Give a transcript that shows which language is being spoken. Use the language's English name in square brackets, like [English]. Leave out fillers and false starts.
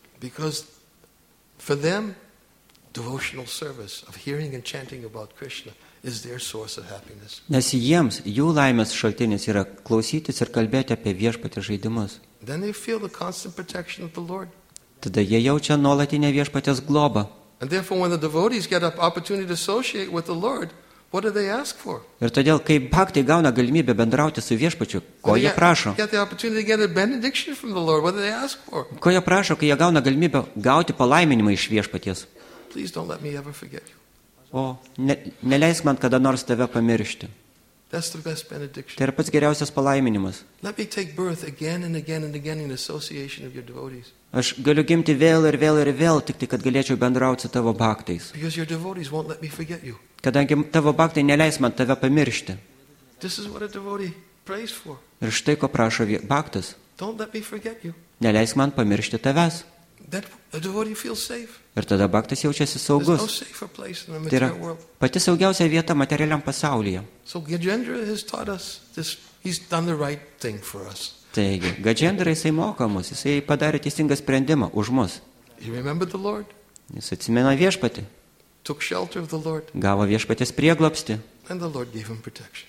[English] Because for them, devotional service of hearing and chanting about Krishna is their source of happiness. [Lithuanian] Nes jiems jų laimės šaltinis yra klausytis ir kalbėti apie Viešpaties žaidimus. [English] Then they feel the constant protection of the Lord. [Lithuanian] Tada jie jaučia nuolatinę Viešpaties globą. [English] And therefore, when the devotees get an opportunity to associate with the Lord, what do they ask for? [Lithuanian] Ir todėl, kai bhaktai gauna galimybę bendrauti su Viešpačiu, ko jie prašo? [English] Get the opportunity to get a benediction from the Lord. What do they ask for? [Lithuanian] Ko jie prašo, kai jie gauna galimybę gauti palaiminimą iš Viešpaties? [English] Please don't let me ever forget you. [Lithuanian] O neleisk man kada nors tave pamiršti. [English] That's the best benediction. [Lithuanian] Tai yra pats geriausias palaiminimas. [English] Let me take birth again and again and again in association of your devotees. [Lithuanian] Aš galiu gimti vėl ir vėl ir vėl, tik tai, kad galėčiau bendrauti su tavo bhaktais. [English] Because your devotees won't let me forget you. [Lithuanian] Kadangi tavo bhaktai neleis man tave pamiršti. [English] This is what a devotee prays for. [Lithuanian] Ir štai, ko prašo bhaktas. [English] Don't let me forget you. [Lithuanian] Neleisk man pamiršti tavęs. [English] That a devotee feels safe. [Lithuanian] Ir tada bhaktas jaučiasi saugus. [English] There's no safer place in the material world. [Lithuanian] Tai yra pati saugiausia vieta materialiam pasaulyje. [English] So Gajendra has taught us this. He's done the right thing for us. [Lithuanian] Taigi, Gajendra, jisai moka mus, jisai padarė teisingą sprendimą už mus. [English] You remember the Lord? [Lithuanian] Jis atsimena Viešpatį. [English] Took shelter of the Lord. [Lithuanian] Gavo Viešpaties prieglobstį. [English] And the Lord gave him protection.